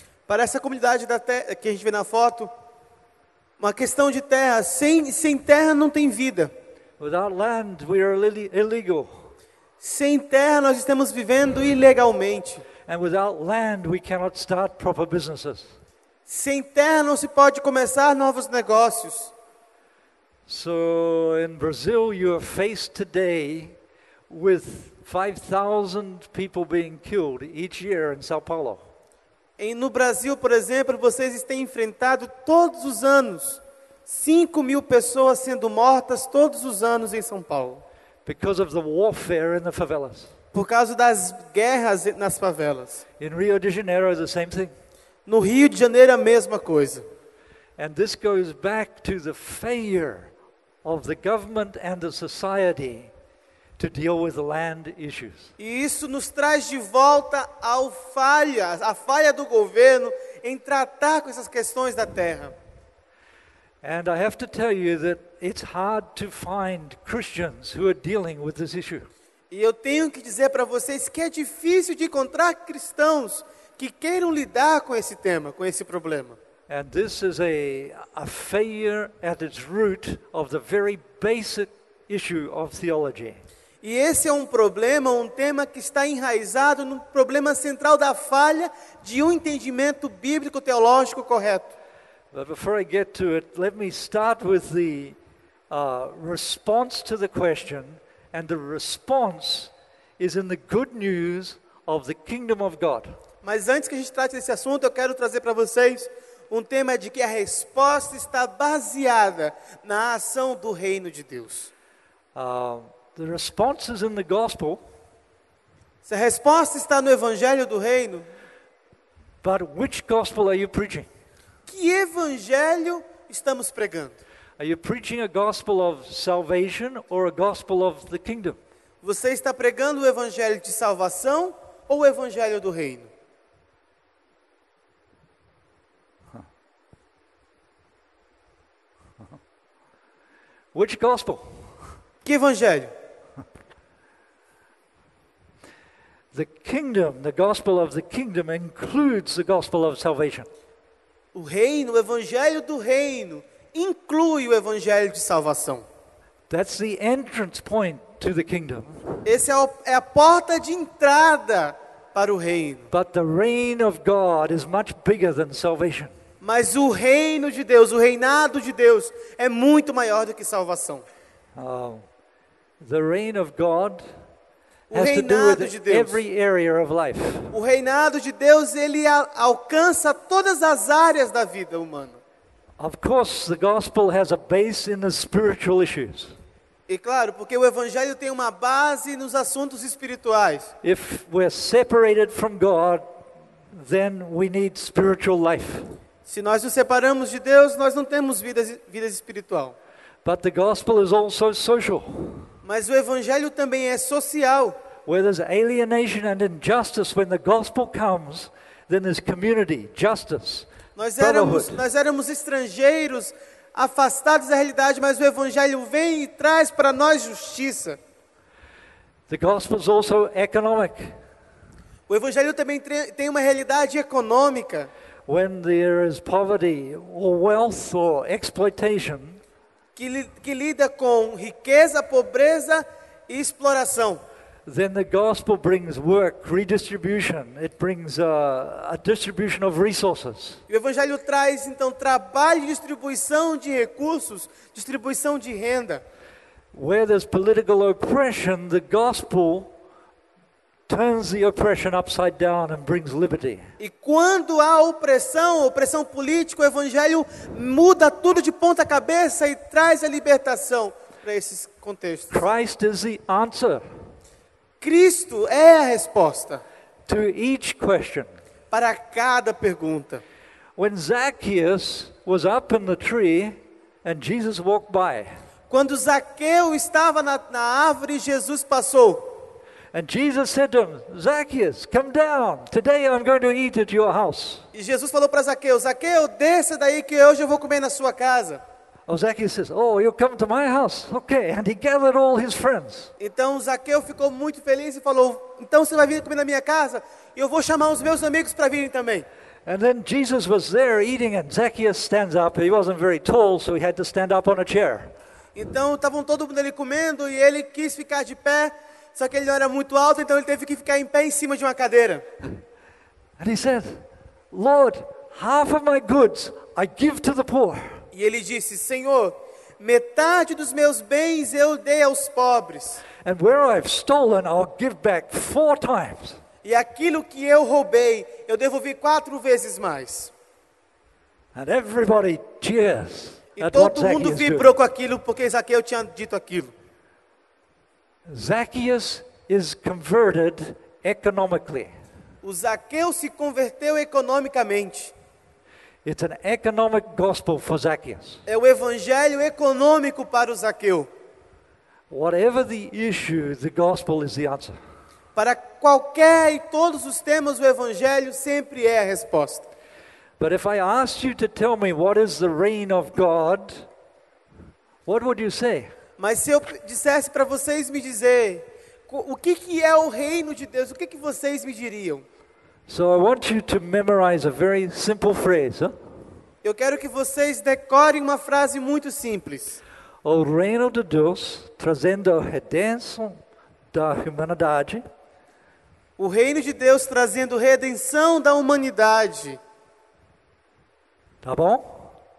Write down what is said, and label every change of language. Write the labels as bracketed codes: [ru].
[pt] Para essa comunidade da terra, que a gente vê na foto, uma questão de terra. Sem terra não tem vida. [en] Without land, we are illegal. [pt] Sem terra nós estamos vivendo ilegalmente. [en] And without land, we cannot start proper businesses. [pt] Sem terra não se pode começar novos negócios. [en] So in Brazil, you are faced today with 5,000 people being killed each year in São Paulo. [pt] No Brasil, por exemplo, vocês têm enfrentado todos os anos 5 mil pessoas sendo mortas todos os anos em São Paulo. [en] Because of the warfare in the favelas. [pt] Por causa das guerras nas favelas. [en] In Rio de Janeiro, the same thing. [pt] No Rio de Janeiro, a mesma coisa. [en] And this goes back to the failure of the government and the society to deal with the land issues. [pt] E isso nos traz de volta ao a falha do governo em tratar com essas questões da terra. [en] And I have to tell you that it's hard to find Christians who are dealing with this issue. [pt] E eu tenho que dizer para vocês que é difícil de encontrar cristãos que queiram lidar com esse tema, com esse problema. [en] And this is a failure at its root of the very basic issue of theology. [pt] E esse é um problema, um tema que está enraizado no problema central da falha de um entendimento bíblico teológico correto. [en] But before I get to it, let me start with the response to the question, and the response is in the good news of the kingdom of God. [pt] Mas antes que a gente trate desse assunto, eu quero trazer para vocês um tema de que a resposta está baseada na ação do reino de Deus. [en] The response is in the gospel. [pt] Se a resposta está no evangelho do reino. [en] But which gospel are you preaching? [pt] Que evangelho estamos pregando? [en] Are you preaching a gospel of salvation or a gospel of the kingdom? [pt] Você está pregando o evangelho de salvação ou o evangelho do reino? [en] Which gospel? [pt] Que evangelho? [en] The kingdom, the gospel of the kingdom includes the gospel of salvation. [pt] O reino, o evangelho do reino inclui o evangelho de salvação. [en] That's the entrance point to the kingdom. [pt] Esse é a porta de entrada para o reino. [en] But the reign of God is much bigger than salvation. [pt] Mas o reino de Deus, o reinado de Deus é muito maior do que salvação. [en] The reign of God has to do with every area of life. [pt] O reinado de Deus, ele alcança todas as áreas da vida humana. [en] Of course, the gospel has a base in the spiritual issues. [pt] E claro, porque o evangelho tem uma base nos assuntos espirituais. [en] If we're separated from God, then we need spiritual life. [pt] Se nós nos separamos de Deus, nós não temos vida espiritual. [en] But the gospel is also social. [pt] Mas o evangelho também é social. [en] Where there's alienation and injustice, when the gospel comes, then there's community, justice, brotherhood. [pt] Nós éramos estrangeiros, afastados da realidade, mas o evangelho vem e traz para nós justiça. [en] The gospel is also economic. [pt] O evangelho também tem uma realidade econômica. [en] When there is poverty or wealth or exploitation, [pt] que lida com riqueza, pobreza e exploração, [en] then the gospel brings work, redistribution. It brings a distribution of resources. [pt] O evangelho traz então trabalho e distribuição de recursos, distribuição de renda. [en] Where there's political oppression, the gospel turns the oppression upside down and brings liberty. [pt] E quando há opressão política, o evangelho muda tudo de ponta cabeça e traz a libertação para esses contextos. [en] Christ is the answer. [pt] Cristo é a resposta. [en] To each question. [pt] Para cada pergunta. [en] When Zacchaeus was up in the tree and Jesus walked by. [pt] Quando Zaqueu estava na árvore e Jesus passou. [en] And Jesus said to him, Zacchaeus, come down. Today I'm going to eat at your house. [pt] E Jesus falou para Zaqueu, Zaqueu, desça daí que hoje eu vou comer na sua casa. [en] Oh, Zacchaeus says, oh, you come to my house. Okay, and he gathered all his friends. [pt] Então Zaqueu ficou muito feliz e falou, então você vai vir comer na minha casa e eu vou chamar os meus amigos para virem também. [en] And then Jesus was there eating and Zacchaeus stands up. He wasn't very tall, so he had to stand up on a chair. [pt] Então estavam todo mundo ali comendo e ele quis ficar de pé. Só que ele não era muito alto, então ele teve que ficar em pé em cima de uma cadeira. [en] And he said, Lord, half of my goods I give to the poor. [pt] E ele disse, Senhor, metade dos meus bens eu dei aos pobres. [en] And where I've stolen, I'll give back four times. [pt] E aquilo que eu roubei, eu devolvi 4 vezes mais. [en] And everybody cheers. [pt] E todo mundo vibrou com aquilo, porque Zaqueu tinha dito aquilo. [en] Zacchaeus is converted economically. [pt] O Zaqueu se converteu economicamente. [en] It's an economic gospel for Zacchaeus. [pt] É o evangelho econômico para o Zaqueu. [en] Whatever the issue, the gospel is the answer. [pt] Para qualquer e todos os temas, o evangelho sempre é a resposta. [en] But if I asked you to tell me what is the reign of God, what would you say? [pt] Mas se eu dissesse para vocês me dizer o que que é o reino de Deus, o que que vocês me diriam? [en] So I want you to memorize a very simple phrase. [pt] Eu quero que vocês decorem uma frase muito simples. O reino de Deus trazendo a redenção da humanidade. O reino de Deus trazendo redenção da humanidade. Tá bom?